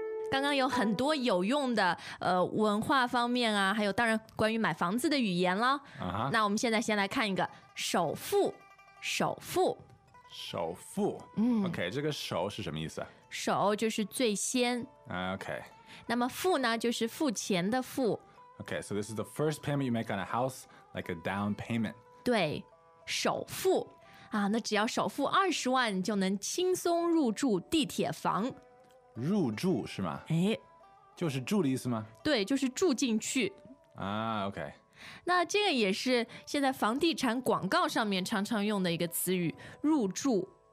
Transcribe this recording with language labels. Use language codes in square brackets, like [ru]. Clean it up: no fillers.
[zh] 刚刚有很多有用的文化方面啊，还有当然关于买房子的语言了。 Uh-huh. 那我们现在先来看一个首付，首付。首付，嗯，OK， 这个首是什么意思？首就是最先，OK。那么付呢，就是付钱的付，OK。 [en] So this is the first payment you make on a house, like a down payment。 [zh] 对，首付啊，那只要首付20万，就能轻松入住地铁房。入住是吗？哎，就是住的意思吗？对，就是住进去啊 ，OK。那这个也是现在房地产广告上面常常用的一个词语，入住